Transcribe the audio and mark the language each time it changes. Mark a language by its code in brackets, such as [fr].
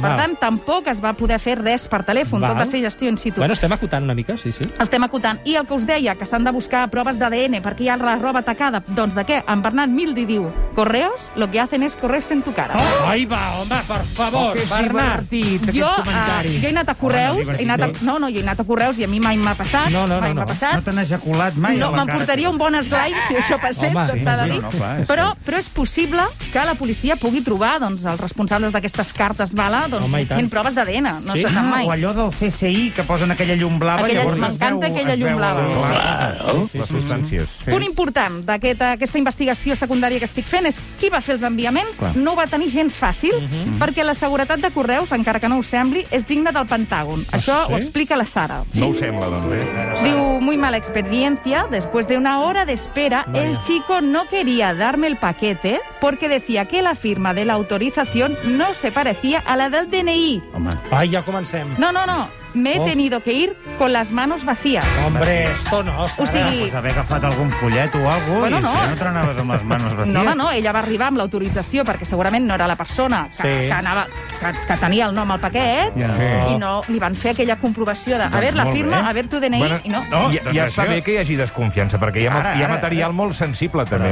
[ca] Per tant, tampoc es va poder fer res per telèfon, tot va ser gestió in situ. Bueno, estem acotant una mica, sí. Estem acotant. I el que us deia, que s'han de buscar proves d'ADN perquè hi ha la roba tacada, doncs de què? [es] En Bernat Mildi diu, correos, lo que hacen es correrse en tu cara. [ca] Ai, va, home, per favor, Bernat. Jo he anat a correus, jo he anat a correus i a mi mai m'ha passat. No t'han ejaculat mai a la cara. No, m'emportaria un bon esglai si això passés, tot s'ha de dir. Però és possible que la policia pugui trobar, doncs, els responsables d'aquestes cartes bala, doncs, fent proves d'ADN. No se sap mai. O allò del CSI, que posen aquella llum blava... M'encanta aquella llum blava. Les substàncies. Punt important d'aquesta investigació secundària que estic fent és qui va fer els enviaments. Clar. No ho va tenir gens fàcil, perquè la seguretat de correus, encara que no ho sembli, és digna del Pentàgon. Això ho explica la Sara. No ho sembla, doncs, [es] Diu, muy mala experiencia, después de una hora de espera, el chico no quería darme el paquete porque decía que la firma de la autorización no se parecía a la del DNI. [ca] Home. Ai, ja comencem. No. [es] me he tenido que ir con las manos vacías. Hombre, esto no, Sara. [ca] O sigui... Pues haver agafat algun fullet o algo bueno, no. Si no te n'anaves amb les [es] manos vacías. [ca] No, home, no, ella va arribar amb l'autorització, perquè segurament no era la persona que anava... que tenia el nom al paquet, i no li van fer aquella comprovació de [es] a ver, la firma, a ver tu DNI, [ca] bueno, i no. No i, doncs i està bé que hi hagi desconfiança, perquè hi ha, ara, hi ha material molt sensible, també.